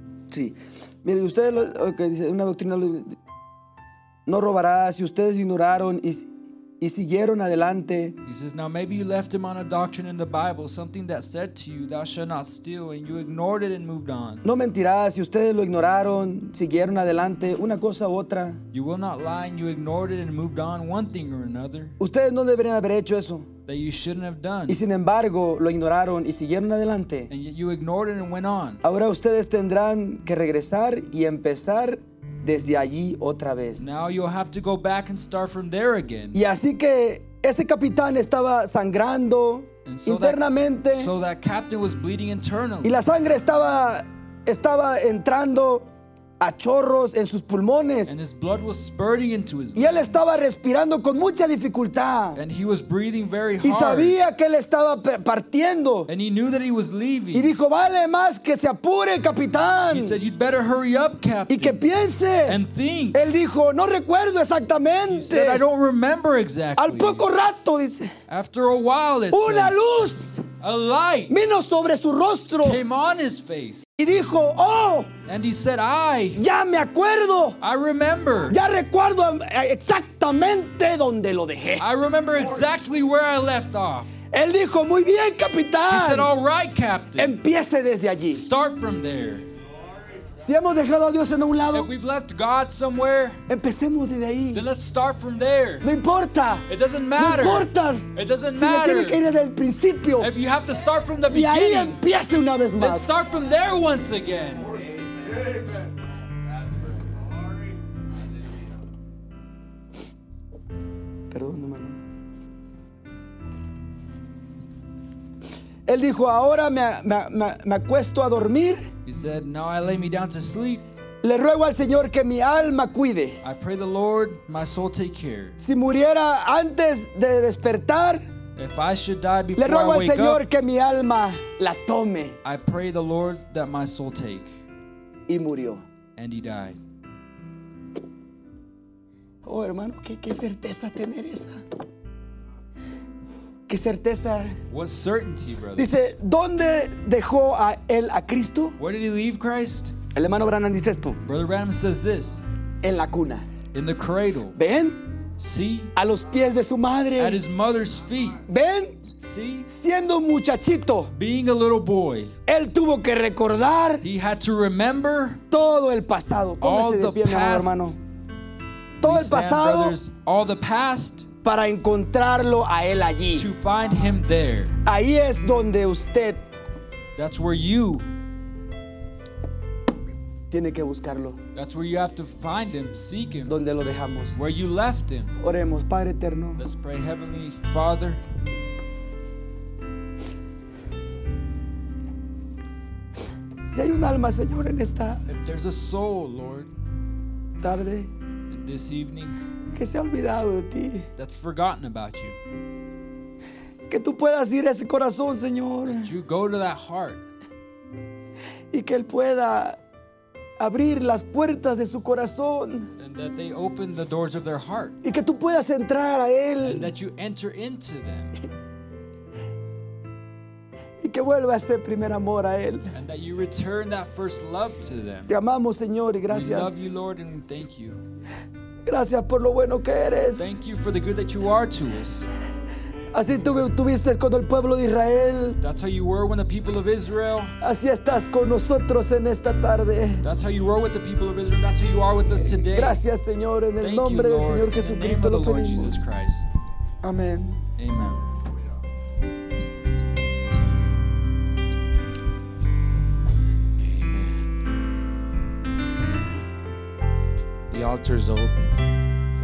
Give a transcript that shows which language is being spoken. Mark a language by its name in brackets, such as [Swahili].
[Spanish] Sí, miren, ustedes, okay, dice, una doctrina, no robarás, y ustedes ignoraron y y siguieron adelante. [English] He says, now maybe you left him on a doctrine in the Bible, something that said to you, thou shalt not steal, and you ignored it and moved on. [Spanish] No mentirás, si ustedes lo ignoraron, siguieron adelante, una cosa u otra. [English] You will not lie, and you ignored it and moved on, one thing or another. [Spanish] Ustedes no deberían haber hecho eso. [English] That you shouldn't have done. [Spanish] Y sin embargo, lo ignoraron y siguieron adelante. [English] And yet you ignored it and went on. [Spanish] Ahora ustedes tendrán que regresar y empezar desde allí otra vez. [English] Now you'll have to go back and start from there again. [Spanish] Y así que ese capitán estaba sangrando internamente. [English] So that captain was bleeding internally. [Spanish] Y la sangre estaba entrando a chorros en sus pulmones. [English] And his blood was spurting into his lungs. [Spanish] Y él estaba respirando con mucha dificultad. [English] And he was breathing very hard. [Spanish] Y sabía que él estaba partiendo. [English] And he knew that he was leaving. [Spanish] Y dijo, vale más que se apure, capitán. [English] He said, you'd better hurry up, captain. [Spanish] Y que piense. [English] And think. [Spanish] Él dijo, no recuerdo exactamente. [English] He said, I don't remember exactly. [Spanish] Al poco rato, dice. [English] After a while, it [Spanish] una [English] says, [Spanish] luz. [English] a light [Spanish] vino sobre su rostro. [English] Came on his face. [Spanish] Y dijo, oh, [English] and he said, I, [Spanish] ya me acuerdo. [English] I remember. [Spanish] Ya recuerdo exactamente donde lo dejé. [English] I remember exactly where I left off. [Spanish] Él dijo, muy bien, capitán. [English] He said, all right, captain. [Spanish] Empiece desde allí. [English] Start from there. [Spanish] Si hemos dejado a Dios en un lado, [English] if we've left God somewhere, [Spanish] empecemos desde ahí. [English] Then let's start from there. [Spanish] No importa. [English] It doesn't matter. [Spanish] No importa. [English] It doesn't [Spanish] si [English] matter. [Spanish] Tiene que ir desde el principio. [English] If you have to start from the beginning, [Spanish] y ahí empiece una vez más. [English] Let's start from there once again. [Spanish] Perdón, hermano. Él dijo, ahora me acuesto a dormir. [English] He said, now I lay me down to sleep. [Spanish] Le ruego al Señor que mi alma cuide. [English] I pray the Lord, my soul take care. [Spanish] Si muriera antes de despertar, [English] if I should die before [Spanish] le ruego [English] I wake [Spanish] al Señor [English] up, [Spanish] que mi alma la tome. [English] I pray the Lord that my soul take. [Spanish] Y murió. [English] And he died. [Spanish] Oh, hermano, qué certeza tener esa. Qué certeza. [English] What certainty, brother? [Spanish] Dice, ¿dónde dejó a él a Cristo? [English] Where did he leave Christ? [Spanish] El hermano Branham dice esto. [English] Brother Branham says this. [Spanish] En la cuna. [English] In the cradle. [Spanish] ¿Ven? [English] See? [Spanish] A los pies de su madre. [English] At his mother's feet. [Spanish] ¿Ven? [English] See? [Spanish] Siendo muchachito. [English] Being a little boy. [Spanish] Él tuvo que recordar. [English] He had to remember. [Spanish] Todo el pasado. Póngase de pie, mi amado hermano. Todo el pasado. [English] All the past. [Spanish] Para encontrarlo a él allí. [English] To find him there. [Spanish] Ahí es donde usted. [English] That's where you. [Spanish] Tiene que buscarlo. [English] That's where you have to find him, seek him. [Spanish] Donde lo dejamos. [English] Where you left him. [Spanish] Oremos, Padre eterno. [English] Let's pray, Heavenly Father. [Spanish] Si hay un alma, Señor, en esta. [English] If there's a soul, Lord. [Spanish] Tarde. [English] This evening. [Spanish] Que se ha olvidado de ti. [English] That's forgotten about you. [Spanish] Que tú puedas ir a ese corazón, Señor. [English] That you go to that heart. [Spanish] Y que él pueda abrir las puertas de su corazón. [English] And that they open the doors of their heart. [Spanish] Y que tú puedas entrar a él. [English] And that you enter into them. [Spanish] Y que vuelva ese primer amor a él. [English] And that you return that first love to them. [Spanish] Te amamos, Señor, y gracias. [English] We love you, Lord, and thank you. [Spanish] Gracias por lo bueno que eres. [English] Thank you for the good that you are to us. [Spanish] Así tuviste con el pueblo de Israel. [English] That's how you were with the people of Israel. [Spanish] Así estás con nosotros en esta tarde. [English] That's how you were with the people of Israel. That's how you are with us today. [Spanish] Gracias, Señor, en el nombre del Señor Jesucristo lo pedimos. Amén. [English] Amen. The altar is open.